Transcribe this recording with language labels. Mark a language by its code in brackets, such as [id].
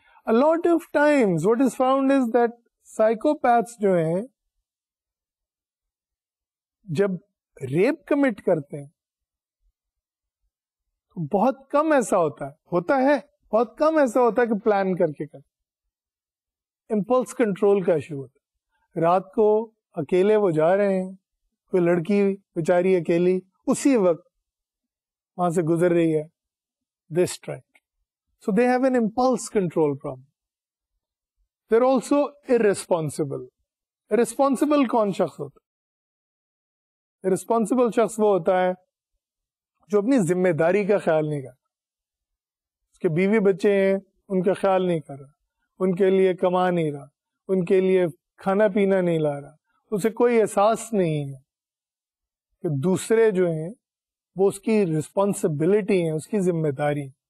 [en] a lot of times what is found is that psychopaths [ur] جو ہیں جب ریپ کمٹ کرتے ہیں تو بہت کم ایسا ہوتا ہے, ہوتا ہے بہت کم ایسا ہوتا ہے کہ پلان کر کے کرتے, امپلس کنٹرول کا ایشو ہوتا ہے. رات کو اکیلے وہ جا رہے ہیں, کوئی لڑکی بیچاری اکیلی اسی وقت وہاں سے گزر رہی ہے, [en] They strike. So they have an impulse control problem. They are also irresponsible. [ur] Irresponsible کون شخص ہوتا ہے؟ ارسپانسبل شخص وہ ہوتا ہے جو اپنی ذمہ داری کا خیال نہیں کرتا, اس کے بیوی بچے ہیں ان کا خیال نہیں کر رہا, ان کے لیے کما نہیں رہا, ان کے لیے کھانا پینا نہیں لا رہا, اسے کوئی احساس نہیں ہے کہ دوسرے جو ہیں وہ اس کی ریسپانسبلٹی ہیں, اس کی ذمہ داری.